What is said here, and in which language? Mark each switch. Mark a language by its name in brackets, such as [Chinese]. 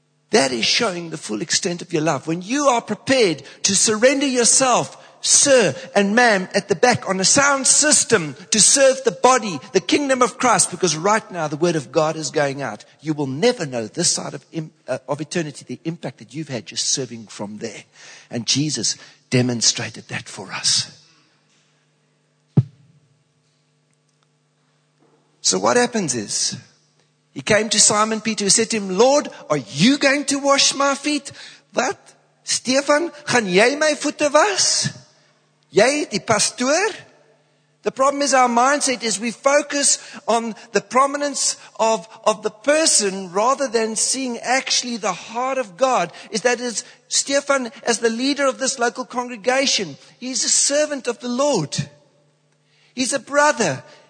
[English] That is showing the full extent of your love. When you are prepared to surrender yourself, sir and ma'am, at the back on a sound system to serve the body, the kingdom of Christ, because right now the word of God is going out, you will never know this side of eternity the impact that you've had just serving from there. And Jesus demonstrated that for us. So what happens is, he came to Simon Peter, who said to him, Lord, are you going to wash my feet? [Afrikaans] Wat? Stefan, gaan jy my voete was? Jy, die pastoor? [English] The problem is our mindset is we focus on the prominence of the person rather than seeing actually the heart of God. Is that is Stefan, as the leader of this local congregation, he's a servant of the Lord. He's a brother.